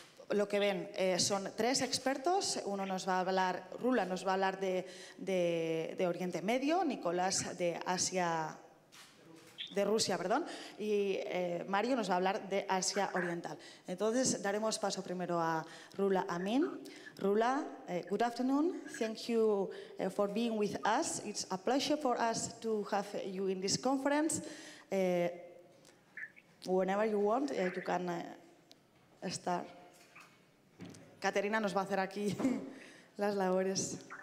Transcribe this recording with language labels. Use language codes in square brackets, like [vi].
[es] Lo que ven son tres expertos. Uno nos va a hablar, Rula nos va a hablar de Oriente Medio, Nicolás de Asia, de Rusia, perdón, y Mario nos va a hablar de Asia Oriental. Entonces, daremos paso primero a Rula Amin. [en] Rula, good afternoon. Thank you for being with us. It's a pleasure for us to have you in this conference. Whenever you want, you can start. [es] Caterina nos va a hacer aquí las labores.